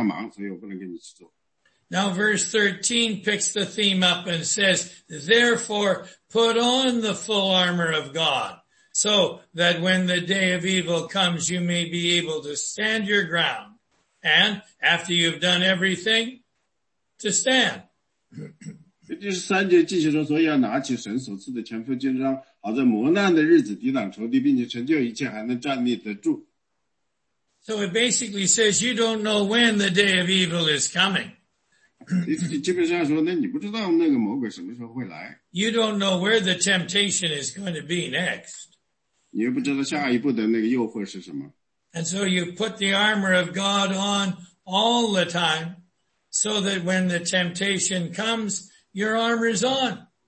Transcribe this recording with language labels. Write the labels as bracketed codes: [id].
[zh] 因为我说非常对不起，我现在非常忙，因为我要去为这些事，我要去服侍神，我要去做这些，我要去帮助那个人，我要去读读圣经，我要去做一些讲道，我有很多事情要做，我在神里非常忙，所以我不能跟你去做。 [en] Now verse 13 picks the theme up and says, "Therefore, put on the full armor of God, so that when the day of evil comes, you may be able to stand your ground, and after you've done everything, to stand." [zh] 第十三节继续说，所以要拿起神所赐的全副军装，好在磨难的日子抵挡仇敌，并且成就一切，还能站立得住。 [en] So it basically says you don't know when the day of evil is coming. [zh] 基本上说，那你不知道那个魔鬼什么时候会来。 [en] You don't know where the temptation is going to be next. [zh] 你又不知道下一步的那个诱惑是什么。 [en] And so you put the armor of God on all the time, so that when the temptation comes, your armor is on.